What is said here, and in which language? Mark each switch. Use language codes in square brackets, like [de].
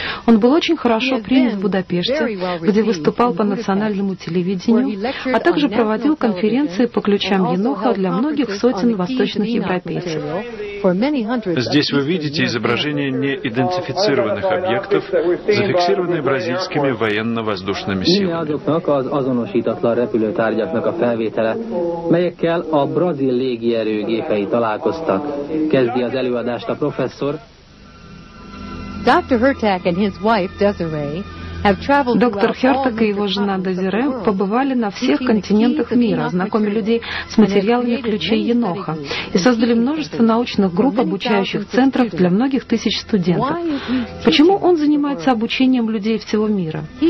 [ru] Он был очень хорошо принят в Будапеште, где выступал по национальному телевидению, а также проводил конференции по ключам Еноха для многих сотен восточных европейцев. Здесь вы видите изображение неидентифицированных объектов, зафиксированные бразильскими военно-воздушными силами. [hu] Repülőtárgyaknak a felvétele, melyekkel a brazil légierő gépei találkoztak. Kezdi az előadást a professzor. [en] Dr. Hertak and his wife Desiree. [ru] Доктор Хёртак и его жена Дезире побывали на всех континентах мира, знакомили людей с материалами ключей Еноха и создали множество научных групп, обучающих центров для многих тысяч студентов. Почему он занимается обучением людей всего мира?